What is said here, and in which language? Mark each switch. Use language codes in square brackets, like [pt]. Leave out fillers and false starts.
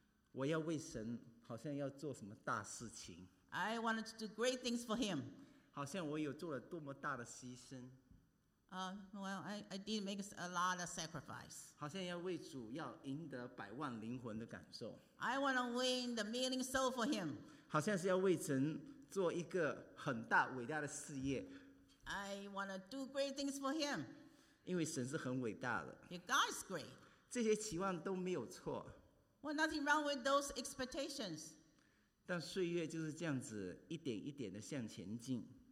[zh] 我要为神好像要做什么大事情。 [en] I wanted to do great things for Him. [zh] 好像我有做了多么大的牺牲。 [en] I did make a lot of sacrifice. [zh] 好像要为主要赢得百万灵魂的感受。 [en] I want to win the million soul for Him. [zh] 好像是要为神做一个很大伟大的事业。 [en] I want to do great things for Him. [zh] 因为神是很伟大的。 [en] Your God is great. [zh] 这些期望都没有错。 [en] Well, nothing wrong with those expectations. [zh] 但岁月就是这样子一点一点的向前进。